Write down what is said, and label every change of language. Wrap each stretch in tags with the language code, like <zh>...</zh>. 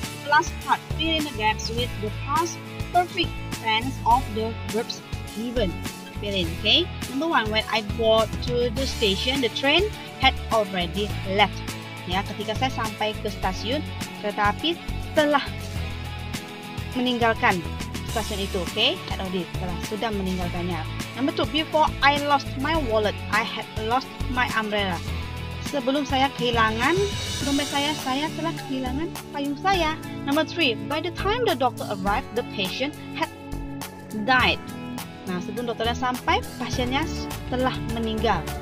<en>Last part, fill in the gaps with the past perfect tense of the verbs given. Okay. Number 1, when I got to the station, the train had already left.</en> <id>Ya, ketika saya sampai ke stasiun, kereta api telah meninggalkan stasiun itu.</id> <en>Okay, had already</en> <id>telah sudah meninggalkannya.</id> <en>Number 2, before I lost my wallet, I had lost my umbrella.</en> <id>Sebelum saya kehilangan dompet saya telah kehilangan payung saya.</id> <en>Number 3, by the time the doctor arrived, the patient had died.</en> <id>Nah, sebelum dokternya sampai, pasiennya telah meninggal.</id>